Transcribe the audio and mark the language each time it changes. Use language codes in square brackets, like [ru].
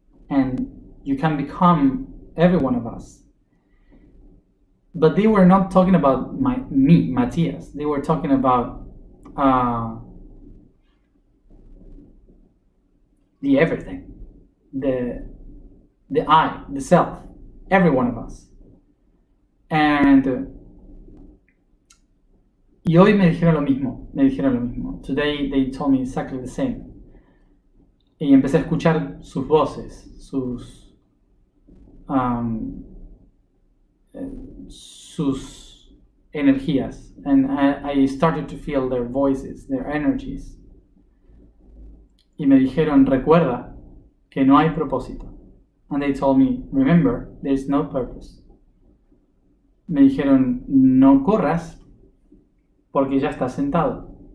[en] And you can become every one of us. But they were not talking about me, Matthias. They were talking about the everything, the I, the self, every one of us. [es] Y hoy me dijeron lo mismo, me dijeron lo mismo. [en] Today they told me exactly the same. [es] Y empecé a escuchar sus voces, sus energías. [en] And I started to feel their voices, their energies. [es] Y me dijeron, recuerda que no hay propósito. [en] And they told me, remember, there is no purpose. [es] Me dijeron, no corras. Porque ya estás sentado.